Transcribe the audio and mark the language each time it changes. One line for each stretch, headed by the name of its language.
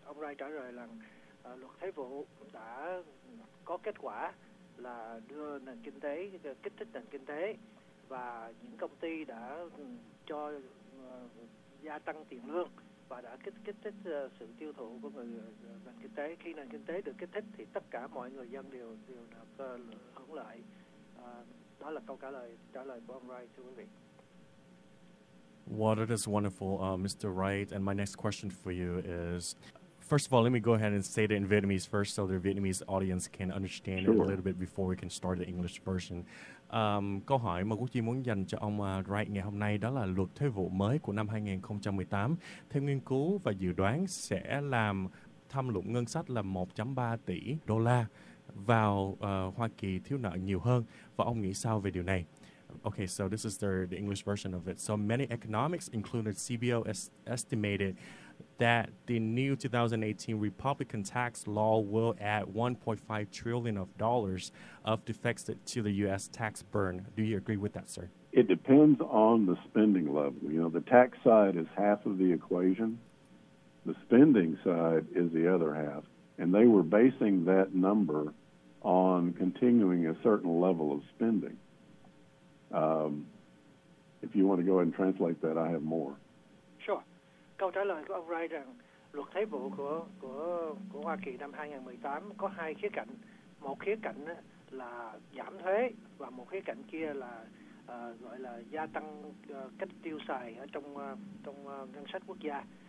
Vietnamese: Ông Wright trả lời rằng luật thuế vụ đã có kết quả là đưa nền kinh tế, kích thích nền kinh tế, và những công ty đã cho gia tăng tiền lương và đã kích thích sự tiêu thụ của nền kinh tế. Khi nền kinh tế được kích thích thì tất cả mọi người dân đều được hưởng lợi. Đó là câu trả lời của ông Wright, thưa quý vị.
English: Well, that is wonderful, Mr. Wright. And my next question for you is, first of all, let me go ahead and say it in Vietnamese first so the Vietnamese audience can understand sure. it a little bit before we can start the English version.
Vietnamese: Câu hỏi mà Quốc Duy muốn dành cho ông Wright ngày hôm nay đó là luật thuế vụ mới của năm 2018. Theo nghiên cứu và dự đoán sẽ làm thâm lũng ngân sách là 1.3 tỷ đô la vào Hoa Kỳ thiếu nợ nhiều hơn. Và ông nghĩ sao về điều này?
English: Okay, so this is the English version of it. So many economics, including CBO, estimated that the new 2018 Republican tax law will add $1.5 trillion of deficit to the U.S. tax burden. Do you agree with that, sir? It depends on the spending level. You know, the tax side is half of the equation. The spending side is the other half. And they were basing that number on continuing a certain level of spending. If you want to go ahead and translate that, I have more. Sure.
Vietnamese: Câu trả lời của ông Wright rằng luật thuế vụ của Hoa Kỳ năm 2018 có hai khía cạnh. Một khía cạnh là giảm thuế và một khía cạnh kia là gọi là gia tăng cách tiêu xài ở trong ngân sách quốc gia.